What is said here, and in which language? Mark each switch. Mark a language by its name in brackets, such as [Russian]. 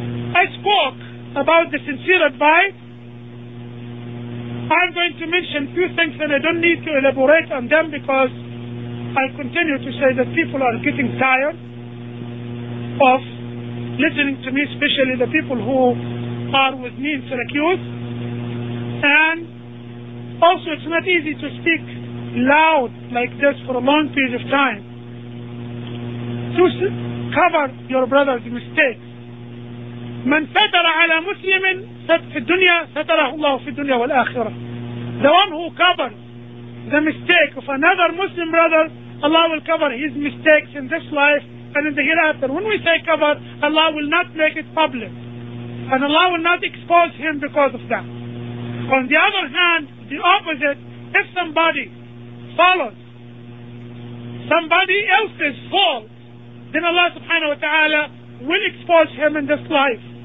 [English] I spoke about the sincere advice. I'm going to mention a few things and I don't need to elaborate on them because I continue to say that people are getting tired of listening to me, especially the people who are with me in Syracuse. And also it's not easy to speak loud like this for a long period of time to cover your brother's mistakes. [Arabic] من ستر على مسلم في الدنيا ستره الله في الدنيا والآخرة. [English] The one who covers the mistake of another Muslim brother, Allah will cover his mistakes in this life and in the hereafter. When we say cover, Allah will not make it public. And Allah will not expose him because of that. On the other hand, the opposite, if somebody follows somebody else's fault, then Allah subhanahu wa ta'ala will expose him in this life.